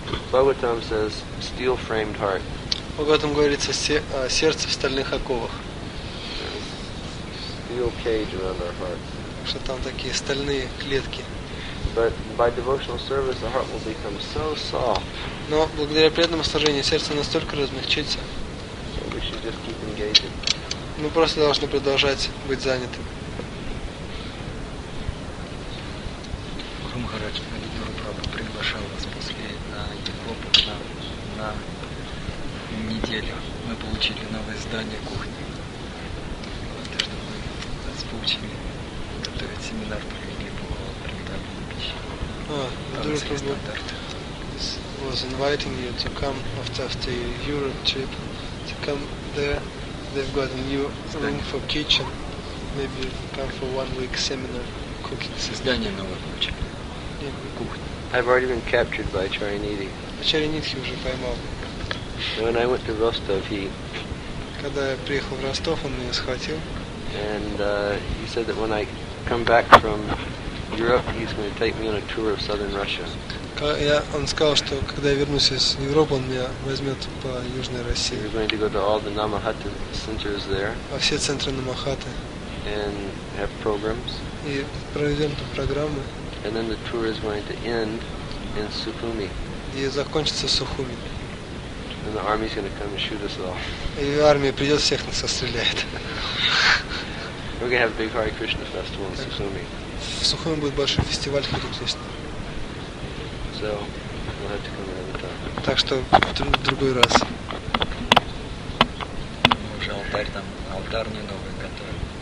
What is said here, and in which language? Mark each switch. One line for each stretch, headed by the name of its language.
English: Bhagavatam says, steel-framed heart.
Russian: Bhagavatam говорится, сердце в стальных оковах.
English: Steel cage around our heart.
Russian: Что там такие стальные клетки.
English: But by devotional service, the heart will become so soft.
Russian: Но благодаря преданному служению сердце настолько размягчится.
English: So we should just keep engaging.
Russian: Мы просто должны продолжать быть занятым. Махарадж, Гуру Прабху приглашал вас после на Европу на неделю. Мы получили новое здание кухни. Так что мы нас поучили готовить семинар, провели по приготовлению пищи.
English: Гуру Прабху was inviting you to come after your Europe trip to come there. They've got a new room for kitchen. Maybe come for 1 week seminar cooking.
Russian: Здание новое получили.
English: I've already been captured by Charyanidhi.
Russian: Charyanidhi уже поймал.
English: When I went to Rostov, he.
Russian: Когда я приехал в Ростов, он меня схватил.
English: And he said that when I come back from Europe, he's going to take me on a tour of southern Russia.
Russian: Он сказал, что когда я вернусь из Европы, он меня возьмет по Южной России.
English: We're going to go to all the Namahata centers there.
Russian: Во все центры Намахаты.
English: And have programs.
Russian: И проведем там программы.
English: And then the tour is going to end in Suphumi.
Russian: И закончится Сухуми.
English: And the army is going to come and shoot us off.
Russian: И армия придет всех нас расстреляет.
English: We're going to have a big Hare Krishna festival in Suphumi.
Russian: В Сухуми будет большой фестиваль Хари Кришна.
English: So we'll have to come another time.
Russian: Так что в другой раз. Мы уже алтарь там, алтарный новый готовим.